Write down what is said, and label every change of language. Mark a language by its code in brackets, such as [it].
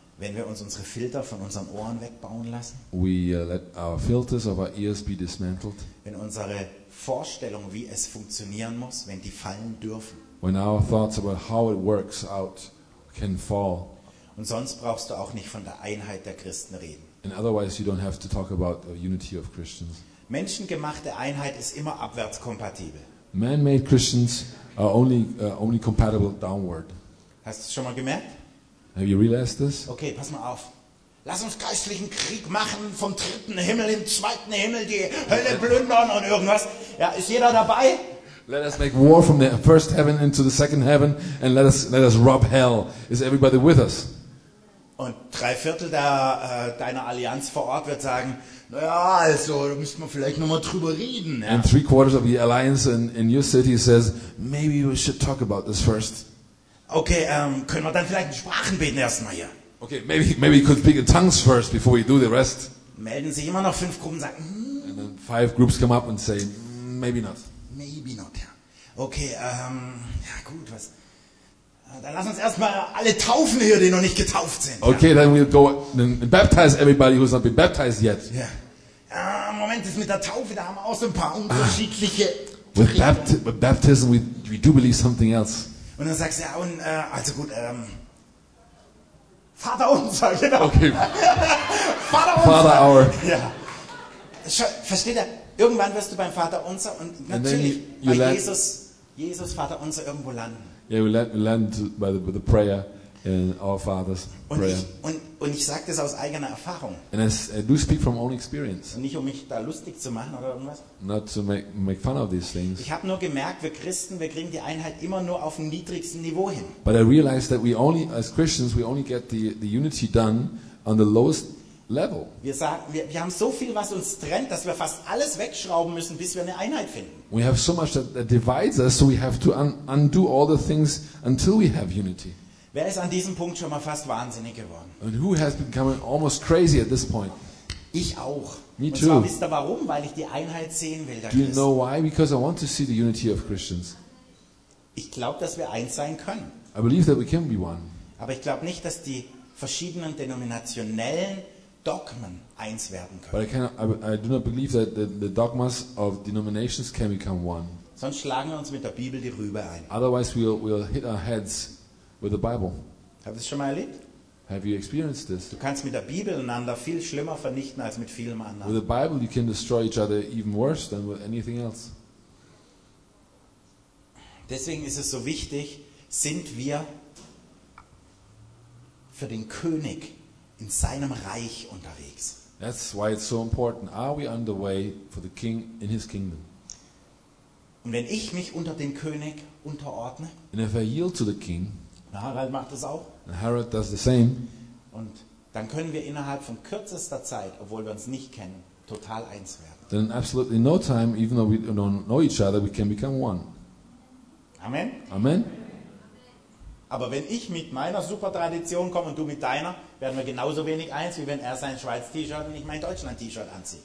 [de] Wenn wir uns unsere Filter von unseren Ohren wegbauen lassen. [en] We let our filters of our ears be dismantled. [de] Wenn unsere Vorstellung, wie es funktionieren muss, wenn die fallen dürfen. [en] When our thoughts about how it works out can fall. [de] Und sonst brauchst du auch nicht von der Einheit der Christen reden. [en] And otherwise you don't have to talk about the unity of Christians. [de] Menschengemachte Einheit ist immer abwärtskompatibel. [en] Man-made Christians are only compatible downward. [de] Hast du es schon mal gemerkt? [en] Have you realized this? [de] Okay, pass mal auf. Lass uns geistlichen Krieg machen, vom dritten Himmel in den zweiten Himmel die Hölle plündern und irgendwas. Ja, ist jeder dabei? [en] Let us make war from the first heaven into the second heaven and let us rob hell. Is everybody with us? [de] Und drei Viertel deiner Allianz vor Ort wird sagen, naja, also, da müssten wir vielleicht nochmal drüber reden. Ja. [en] And three quarters of the alliance in your city says, maybe we should talk about this first. [de] Okay, können wir dann vielleicht in Sprachen beten erstmal hier? [en] Okay, maybe you could speak in tongues first before you do the rest. [de] Melden sich immer noch fünf Gruppen, sagen. [en] And then five groups come up and say, maybe not. Maybe not, [de] ja. Okay, ja gut, was? Dann lass uns erstmal alle taufen hier, die noch nicht getauft sind. [en] Okay, [de] ja. [en] Then we'll go and baptize everybody who's not been baptized yet. [de] Ja. Moment, das mit der Taufe, da haben wir auch so ein paar unterschiedliche. [en] With baptism, we do believe something else. [de] Und dann sagst du, ja, und, also gut, Vater unser, genau. [en] Okay. [de] Vater unser. [en] Father our. [de] Ja. Versteht ihr? Irgendwann wirst du beim Vater unser und natürlich bei Jesus Vater unser irgendwo landen. [en] Yeah, we land by the prayer in our Father's prayer. [de] Und ich sage das aus eigener Erfahrung. [en] And I do speak from own experience. [de] Und nicht um mich da lustig zu machen oder irgendwas. [en] Not to make fun of these things. [de] Ich habe nur gemerkt, wir Christen, wir kriegen die Einheit immer nur auf dem niedrigsten Niveau hin. [en] But I realized that we only as Christians we only get the unity done on the lowest level. [de] Wir sagen, wir haben so viel, was uns trennt, dass wir fast alles wegschrauben müssen, bis wir eine Einheit finden. [en] We have so much that divides us, so we have to undo all the things until we have unity. [de] Wer ist an diesem Punkt schon mal fast wahnsinnig geworden? [en] And who has become almost crazy at this point? [de] Ich auch. [en] Me [de] und [en] too. [de] Und zwar wisst ihr warum? Weil ich die Einheit sehen will. [en] Do you know why? Because I want to see the unity of Christians. [de] Ich glaube, dass wir eins sein können. [en] I believe that we can be one. [de] Aber ich glaube nicht, dass die verschiedenen denominationellen Dogmen eins werden können. [en] But I do not believe that the dogmas of denominations can become one. [de] Sonst schlagen wir uns mit der Bibel die Rübe ein. [en] Otherwise we'll hit our heads. With the Bible. Have you [de] schon mal erlebt? [en] Have you experienced this? [de] Du kannst mit der Bibel einander viel schlimmer vernichten als mit vielem anderen. [en] With the Bible you can destroy each other even worse than with anything else. [de] Deswegen ist es so wichtig, sind wir für den König in seinem Reich unterwegs? [en] That's why it's so important. Are we on the way for the king in his kingdom? [de] Und wenn ich mich unter den König unterordne, [en] and if I yield to the king, [de] Harald macht das auch, [en] and Harald does the same, [de] und dann können wir innerhalb von kürzester Zeit, obwohl wir uns nicht kennen, total eins werden. [en] Then in absolutely no time, even though we don't know each other, we can become one. [de] Amen. [en] Amen. [de] Aber wenn ich mit meiner super Tradition komme und du mit deiner, werden wir genauso wenig eins, wie wenn er sein Schweiz T-Shirt und ich mein Deutschland T-Shirt anziehe.